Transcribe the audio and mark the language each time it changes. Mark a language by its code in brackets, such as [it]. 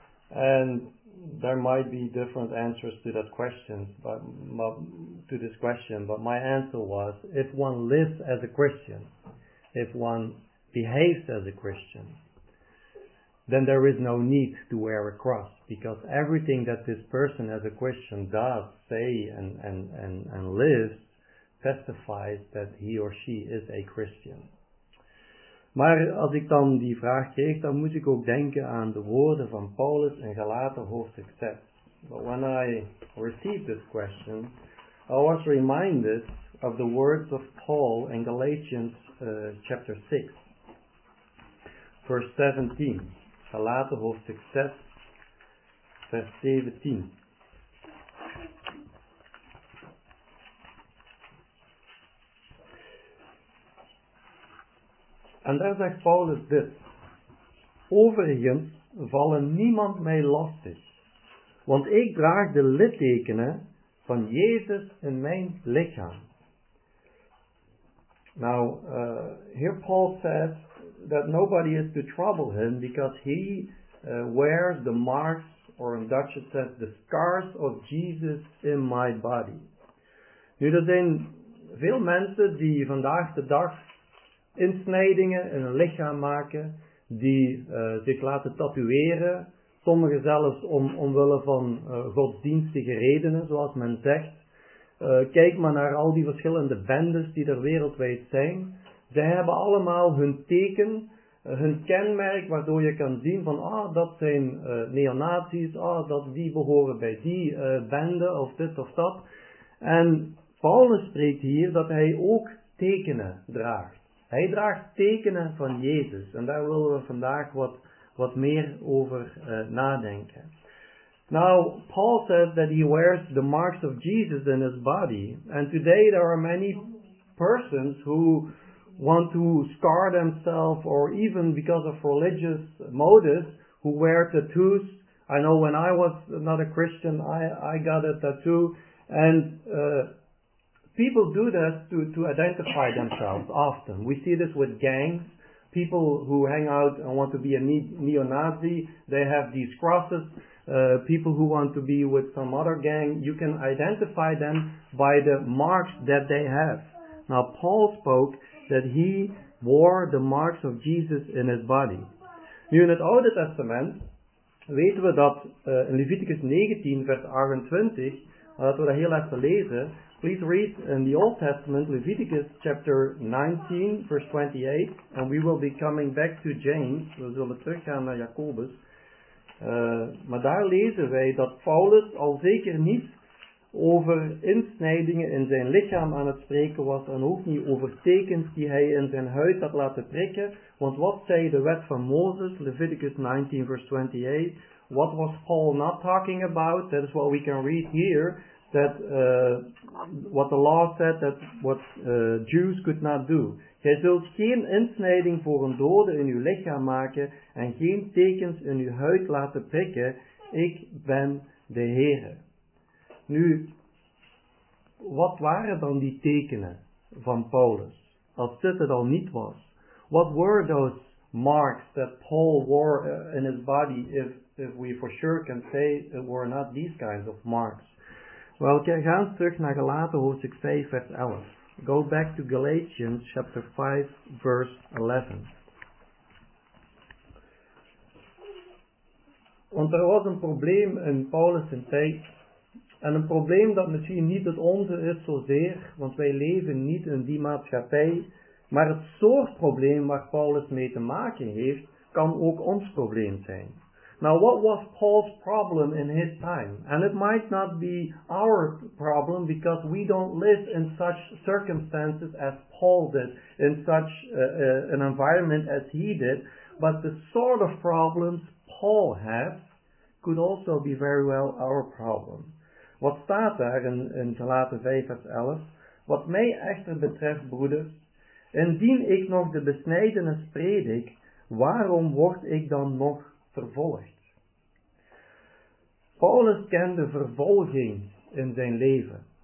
[en] And there might be different answers to that question, but my answer was, if one lives as a Christian, if one behaves as a Christian, then there is no need to wear a cross, because everything that this person as a Christian does, say, and lives, testifies that he or she is a Christian. [nl] Maar als ik dan die vraag kreeg, dan moest ik ook denken aan de woorden van Paulus in Galaten hoofdstuk 6. [en] But when I received this question, I was reminded of the words of Paul in Galatians chapter 6, verse 17. [nl] Galaten hoofdstuk 6, vers 17. En daar zegt Paulus dit. Overigens vallen niemand mij lastig, want ik draag de littekenen van Jezus in mijn lichaam. [en] Now, here Paul says that nobody is to trouble him because he wears the marks, or in Dutch it says, the scars of Jesus in my body. [nl] Nu, er zijn veel mensen die vandaag de dag insnijdingen in hun lichaam maken, die zich laten tatoeëren, sommigen zelfs omwille van godsdienstige redenen, zoals men zegt. Kijk maar naar al die verschillende bendes die er wereldwijd zijn. Zij hebben allemaal hun teken, hun kenmerk, waardoor je kan zien van, dat zijn neonazies, die behoren bij die bende, of dit of dat. En Paulus spreekt hier dat hij ook tekenen draagt. Hij draagt tekenen van Jezus. En daar willen we vandaag wat meer over nadenken. [en] Now, Paul says that he wears the marks of Jesus in his body. And today there are many persons who want to scar themselves, or even because of religious motives, who wear tattoos. I know when I was not a Christian, I got a tattoo. And people do this to identify themselves often. We see this with gangs. People who hang out and want to be a neo-Nazi, they have these crosses. People who want to be with some other gang, you can identify them by the marks that they have. Now, Paul spoke that he wore the marks of Jesus in his body. [nl] Nu in het Oude Testament weten we dat in Leviticus 19, vers 28, dat we dat heel even lezen. [en] Please read in the Old Testament, Leviticus chapter 19, verse 28, and we will be coming back to James. [nl] We zullen teruggaan naar Jacobus. Maar daar lezen wij dat Paulus al zeker niet over insnijdingen in zijn lichaam aan het spreken was, en ook niet over tekens die hij in zijn huid had laten prikken. Want wat zei de wet van Mozes, Leviticus 19, [en] verse 28, what was Paul not talking about? That is what we can read here. That what the law said that what Jews could not do. [nl] Gij zult geen insnijding voor een dode in uw lichaam maken en geen tekens in uw huid laten prikken. Ik ben de Heere. Nu, wat waren dan die tekenen van Paulus, als dit het al niet was? [en] What were those marks that Paul wore in his body, if we for sure can say it were not these kinds of marks? [nl] Wel, gaan terug naar Galaten hoofdstuk 5, vers 11. [en] Go back to Galatians chapter 5, verse 11. [nl] Want er was een probleem in Paulus' tijd. En een probleem dat misschien niet het onze is zozeer, want wij leven niet in die maatschappij. Maar het soort probleem waar Paulus mee te maken heeft, kan ook ons probleem zijn. [en] Now, what was Paul's problem in his time? And it might not be our problem because we don't live in such circumstances as Paul did, in such an environment as he did. But the sort of problems Paul had could also be very well our problem. [nl] Wat staat daar in Galaten 5 vers 11? Wat mij echter betreft, broeders, indien ik nog de besnijdenis spreek, waarom word ik dan nog vervolgd? Paulus kende vervolging in zijn leven.